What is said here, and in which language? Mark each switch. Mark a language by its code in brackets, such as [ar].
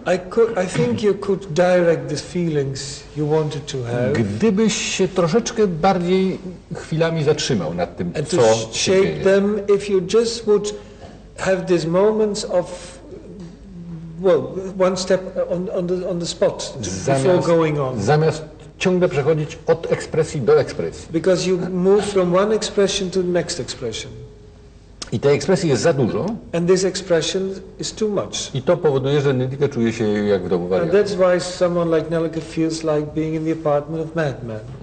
[en] I think you could direct the feelings you wanted to have. [pl] Gdybyś się troszeczkę bardziej chwilami zatrzymał nad tym, [en] and [pl] co [en] shape them if you just would have these moments of. Well, one step on the spot before going on. [pl] Zamiast ciągle przechodzić od ekspresji do ekspresji. [en] Because you move from one expression to the next expression. [pl] I tej ekspresji jest za dużo. [en] And this expression is too much. [pl] I to powoduje, że Nelika czuje się jak w domu wariatu. [en] And that's why someone like Nelika feels like being in the apartment of madman.